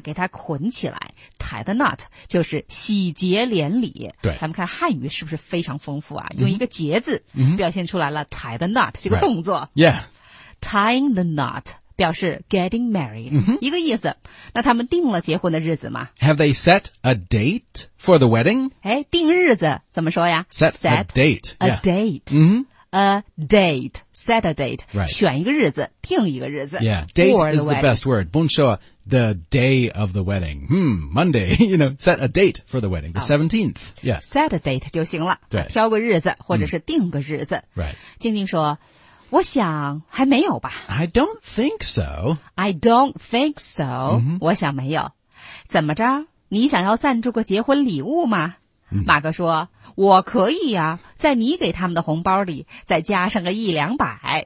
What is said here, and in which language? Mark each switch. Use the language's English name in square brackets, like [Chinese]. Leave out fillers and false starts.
[Chinese] 给它捆起来。 [English] Tie the knot, [Chinese] 就是喜结连理。对。咱们看汉语是不是非常丰富啊、mm-hmm. 用一个结字、 mm-hmm. 表现出来了 [English] tie the knot, [Chinese] 这个动作。 [English] Right. Yeah. Tying the knot. 表示 getting married、 mm-hmm. [Chinese] 一个意思那他们定了结婚的日子吗 [English] Have they set a date for the wedding? [Chinese] 哎，定日子怎么说呀 [English] set a date a、 yeah. date、 mm-hmm. a date set a date、 right. [Chinese] 选一个日子定一个日子 [English] yeah date the is the best word Bonshua the day of the wedding Monday you know set a date for the wedding the 17th、oh. yeah. set a date [Chinese] 就行了对挑个日子或者是定个日子、 [English] mm. right [Chinese] 静静说我想还没有吧。 [English] I don't think so.、Mm-hmm. [Chinese] 我想没有。怎么着？你想要赞助个结婚礼物吗？马克说，我可以啊，在你给他们的红包里再加上个一两百。